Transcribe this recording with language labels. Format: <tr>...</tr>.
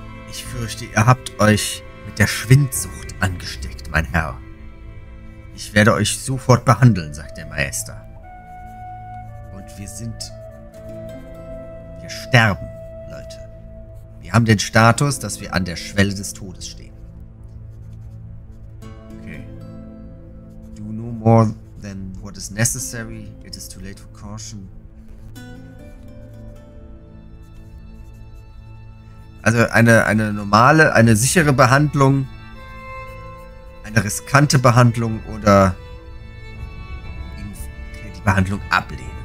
<de>Ich fürchte, ihr habt euch mit der Schwindsucht angesteckt, mein Herr. Ich werde euch sofort behandeln, sagt der Meister. Und wir sterben, Leute. Wir haben den Status, dass wir an der Schwelle des Todes stehen. Okay.</de> <en>Do no more than what is necessary. It is too late for caution.</en> <de>Also eine sichere Behandlung, eine riskante Behandlung oder die Behandlung ablehnen.</de>